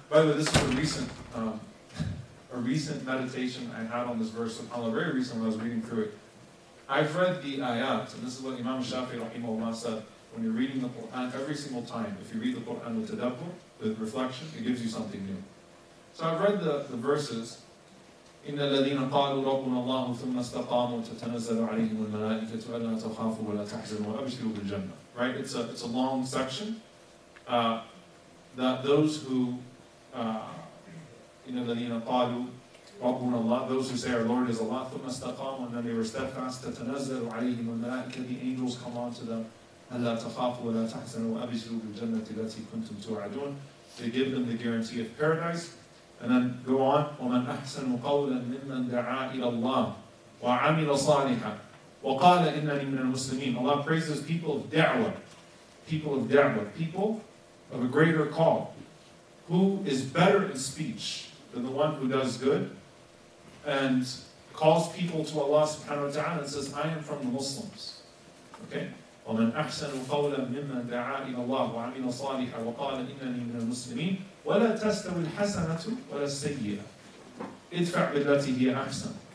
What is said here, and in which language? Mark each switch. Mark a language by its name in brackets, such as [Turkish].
[English] By the way, this is a recent meditation I had on this verse, subhanAllah, very recently when I was reading through it. I've read the ayat, and this is what Imam Shafi'i rahimahullah said, when you're reading the Qur'an every single time, if you read the Qur'an with tadabbur, with reflection, it gives you something new. So I've read the verses, [Arabic] إِنَّ الَّذِينَ قَالُوا رَبُّنَا اللَّهُ ثُمَّ اسْتَقَامُوا تَتَنَزَّلُ عَلَيْهِمُ الْمَلَائِكَةُ وَلَا تَخَافُوا وَلَا تَحْزَنُوا وَأَبْشِرُوا بِالْجَنَّةِ. [English] Right? It's a long section. That those who, [Arabic] الَّذِينَ قَالُوا رَبُّنَا اللَّهُ, [English] those who say our Lord is Allah, [Arabic] ثُمَّ اسْتَقَامُوا, [English] and then they were steadfast, [Arabic] تَتَنَزَّلُ عَلَيْهِمُ الْمَلَائِكَةُ, [English] the angels come on to them, [Arabic] أَلَّا تَخَافُوا وَلَا تَحْزَنُوا وَأَبْشِرُوا بِالْجَنَّةِ الَّتِي كُنْتُمْ تُوعَدُونَ. [English] They give them the guarantee of paradise. And then go on, [Arabic] وَمَنْ أَحْسَنُ قَوْلًا مِمَّنْ دَعَا إِلَى اللَّهِ وَعَمِلَ صَالِحًا وَقَالَ إِنَّنِي مِنَ الْمُسْلِمِينَ. [English] Allah praises people of da'wah, people of da'wah, people of a greater call. Who is better in speech than the one who does good and calls people to Allah subhanahu wa ta'ala and says, I am from the Muslims. [Arabic] Okay? وَمَنْ أَحْسَنُ قَوْلًا مِمَّنْ دَعَا إِلَى اللَّهِ وَعَمِلَ صَالِحًا وَقَالَ إِنَّنِي مِنَ الْمُسْلِمِينَ وَلَا تَسْتَوِي الْحَسَنَةُ وَلَا السَّيِّئَةُ اِدْفَعْ بِالَّتِي هِيَ أَحْسَنُ.